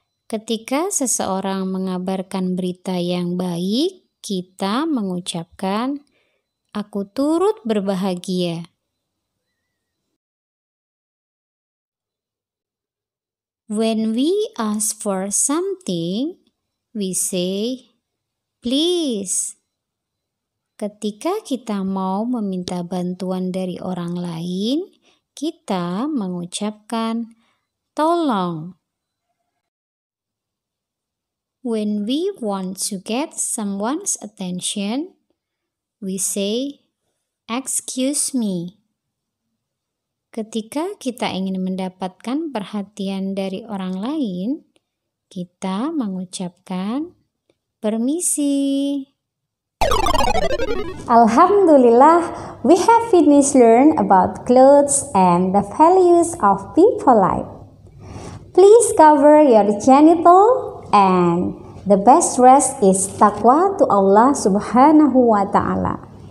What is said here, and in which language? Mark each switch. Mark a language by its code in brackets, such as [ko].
[id] Ketika seseorang mengabarkan berita yang baik, kita mengucapkan, aku turut berbahagia. [en] When we ask for something, we say, please. [id] Ketika kita mau meminta bantuan dari orang lain, kita mengucapkan, tolong. [en] When we want to get someone's attention, we say, excuse me. [id] Ketika kita ingin mendapatkan perhatian dari orang lain, kita mengucapkan, permisi. [en] Alhamdulillah, we have finished learn about clothes and the values of people life. Please cover your genital and the best rest is taqwa to Allah subhanahu wa ta'ala.